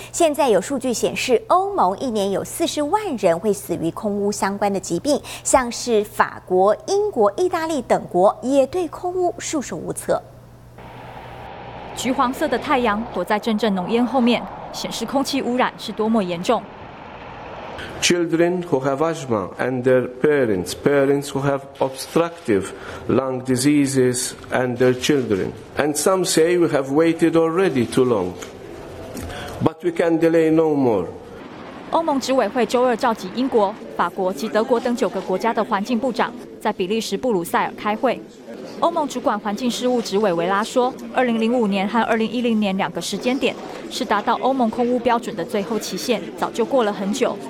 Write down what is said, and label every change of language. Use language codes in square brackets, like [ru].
[zh] 现在有数据显示，欧盟一年有40万人会死于空污相关的疾病，像是法国、英国、意大利等国也对空污束手无策。橘黄色的太阳躲在阵阵浓烟后面，显示空气污染是多么严重。 [en] Children who have asthma and their parents, parents who have obstructive lung diseases and their children. And some say we have waited already too long. But we can delay no more. [zh] 欧盟执委会周二召集英国、法国及德国等9个国家的环境部长在比利时布鲁塞尔开会。欧盟主管环境事务执委维拉说，2005年和2010年两个时间点是达到欧盟空污标准的最后期限，早就过了很久。